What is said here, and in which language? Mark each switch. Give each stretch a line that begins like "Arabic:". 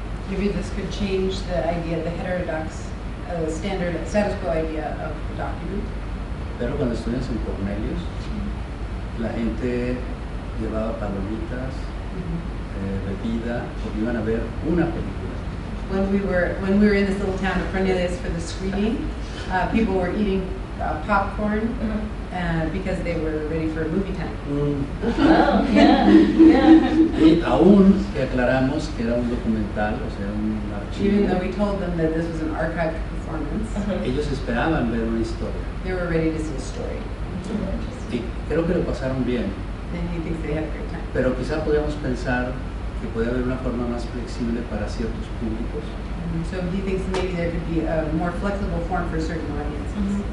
English: Maybe this could change the idea, the heterodox, standard status quo idea of the document.
Spanish: Pero cuando estudias en Cornelius, la gente llevaba palomitas, bebida, porque iban a ver una película.
English: When we were in this little town of Cornelius for the screening, people were eating popcorn because they were ready for a movie time.
Spanish: Y aún que aclaramos que era un documental, o sea, un archivo.
English: Even though we told them that this was an archived performance.
Spanish: Ellos esperaban ver una historia.
English: They were ready to see a story.
Spanish: Y creo que lo pasaron bien.
English: And he thinks they had a great time.
Spanish: Pero quizá podríamos pensar que puede haber una forma más flexible para ciertos públicos.
English: So he thinks maybe there could be a more flexible form for certain audiences.